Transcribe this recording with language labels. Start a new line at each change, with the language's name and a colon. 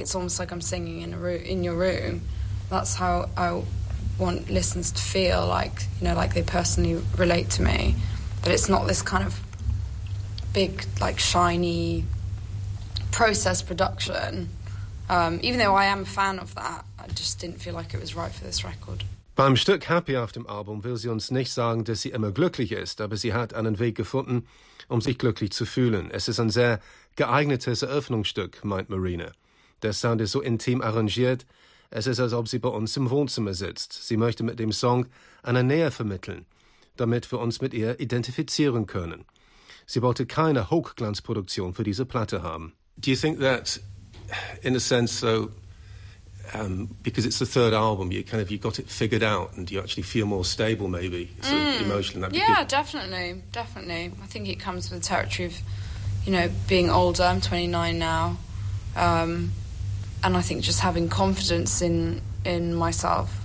English: It's almost like I'm singing in your room. That's how I want listeners to feel, like, you know, like they personally relate to me. But it's not this kind of big, like, shiny process production. Even though I am a fan of that, I just didn't feel like it was right for this record.
German: Beim Stück Happy auf dem Album will sie uns nicht sagen, dass sie immer glücklich ist, aber sie hat einen Weg gefunden, um sich glücklich zu fühlen. Es ist ein sehr geeignetes Eröffnungsstück, meint Marina. Der Sound ist so intim arrangiert, es ist, als ob sie bei uns im Wohnzimmer sitzt. Sie möchte mit dem Song eine Nähe vermitteln, damit wir uns mit ihr identifizieren können. Sie wollte keine Hochglanzproduktion für diese Platte haben.
English: Do you think that, in a sense, so because it's the third album, you kind of you got it figured out, and you actually feel more stable, maybe emotionally. Definitely. I think it comes with the territory of, you know, being older. I'm 29 now, and I think just having confidence in myself.